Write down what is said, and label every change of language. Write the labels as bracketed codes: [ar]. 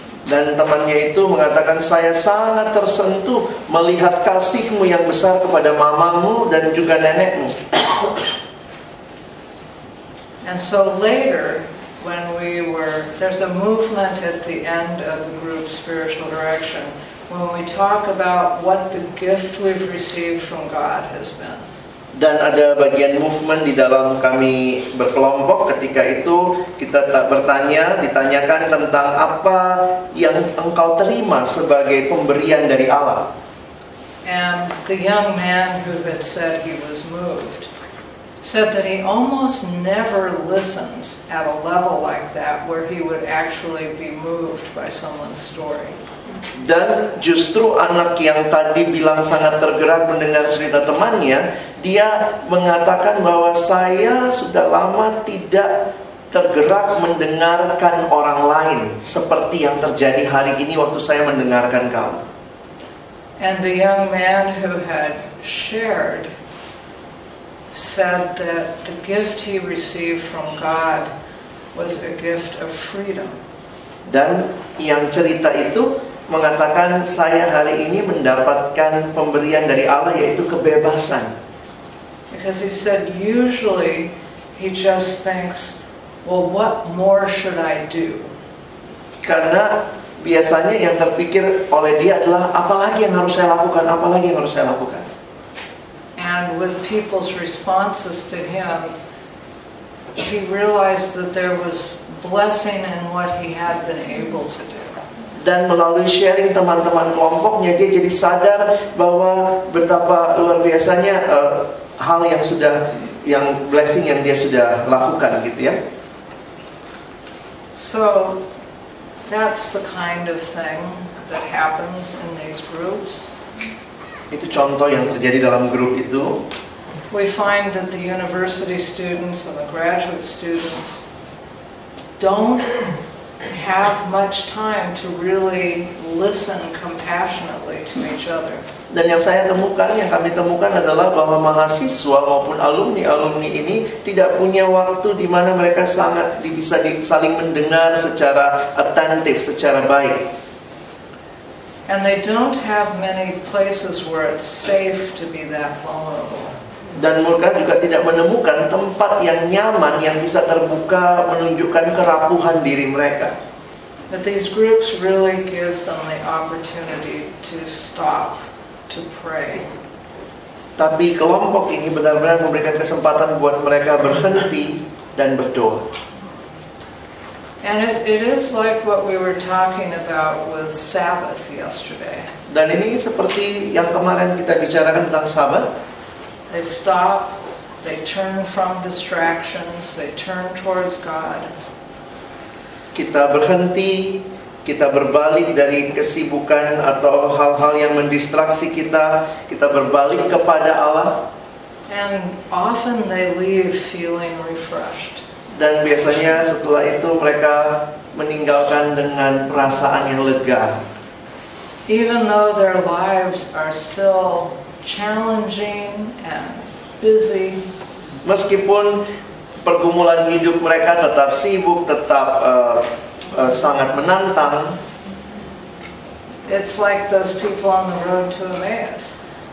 [id] Dan temannya itu mengatakan, "Saya sangat tersentuh melihat kasihmu yang besar kepada mamamu dan juga nenekmu." [en] And so later, when we were, there's a movement at the end of the group Spiritual Direction, when we talk about what the gift we've received from God has been. [id] Dan ada bagian movement di dalam kami berkelompok ketika itu, kita bertanya, ditanyakan tentang apa yang engkau terima sebagai pemberian dari Allah. [en] And the young man who had said he was moved said that he almost never listens at a level like that where he would actually be moved by someone's story. [id] Dan justru anak yang tadi bilang sangat tergerak mendengar cerita temannya, dia mengatakan bahwa saya sudah lama tidak tergerak mendengarkan orang lain seperti yang terjadi hari ini waktu saya mendengarkan kamu. [en] And the young man who had shared said that the gift he received from God was a gift of freedom. [id] Dan yang cerita itu mengatakan, saya hari ini mendapatkan pemberian dari Allah, yaitu kebebasan. [en] Because he said usually he just thinks, well, what more should I do? [id] Karena biasanya yang terpikir oleh dia adalah apalagi yang harus saya lakukan. [en] And with people's responses to him, he realized that there was blessing in what he had been able to do. [id] Dan melalui sharing teman-teman kelompoknya, dia jadi sadar bahwa betapa luar biasanya hal yang sudah, yang blessing yang dia sudah lakukan, gitu ya. [en] So that's the kind of thing that happens in these groups. [id] Itu contoh yang terjadi dalam grup itu. [en] We find that the university students and the graduate students don't have much time to really listen compassionately to each other. [id] Dan yang saya temukan, yang kami temukan adalah bahwa mahasiswa maupun alumni-alumni ini tidak punya waktu di mana mereka sangat bisa saling mendengar secara attentive, secara baik. [en] And they don't have many places where it's safe to be that vulnerable. [id] Dan mereka juga tidak menemukan tempat yang nyaman yang bisa terbuka menunjukkan kerapuhan diri mereka. [en] But these groups really give them the opportunity to stop, to pray. [id] Tapi kelompok ini benar-benar memberikan kesempatan buat mereka berhenti dan berdoa. [en] And it is like what we were talking about with Sabbath yesterday. [id] Dan ini seperti yang kemarin kita bicarakan tentang Sabat. [en] They stop, they turn from distractions, they turn towards God. [id] Kita berhenti, kita berbalik dari kesibukan atau hal-hal yang mendistraksi kita, kita berbalik kepada Allah. [en] And often they leave feeling refreshed. [id] Dan biasanya setelah itu mereka meninggalkan dengan perasaan yang lega. [en] Even though their lives are still challenging and busy. [id] Meskipun pergumulan hidup mereka tetap sibuk, tetap sangat menantang. [en] It's like those people on the road to Emmaus.